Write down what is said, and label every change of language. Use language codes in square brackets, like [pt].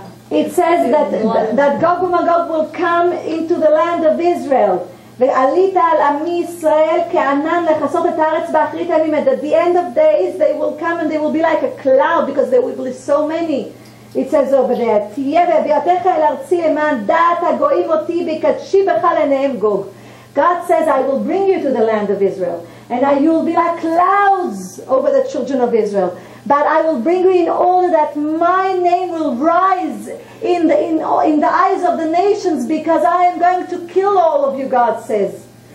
[en] It says that, that Gog ומגוג will come into the land of Israel. [he] ועלית על עמי ישראל כענן לחסות את הארץ באחרית הימים. [en] At the end of days, they will come and they will be like a cloud because there will be so many. It says over there, [he] תהיה ואביאתך אל ארצי למען דעת הגויים אותי בקדשי בך לעיניהם גוג. [en] God says, I will bring you to the land of Israel, and you will be like clouds over the children of Israel. But I will bring you in order that my name will rise in the eyes of the nations, because I am going to kill all of you, God says.